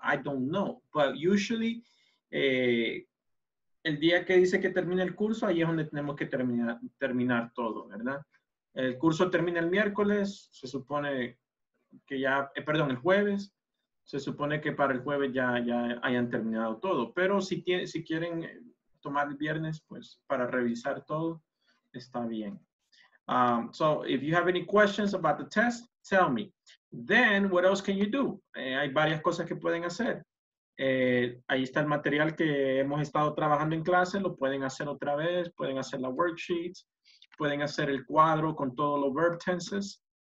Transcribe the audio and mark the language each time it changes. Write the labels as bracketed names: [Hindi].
[English] I don't know. But usually, [Spanish] el día que dice que termina el curso, ahí es donde tenemos que terminar todo, ¿verdad? El curso termina el miércoles, se supone que ya, perdón, el jueves. Se supone que para el jueves ya hayan terminado todo. Pero si quieren tomar el viernes, pues, para revisar todo, está bien. [English] So, if you have any questions about the test, tell me. Then, what else can you do? [Spanish] Hay varias cosas que pueden hacer. Ahí está el material que hemos estado trabajando en clase. Lo pueden hacer otra vez. Pueden hacer la worksheet. Pueden hacer el cuadro con todos los verb tenses.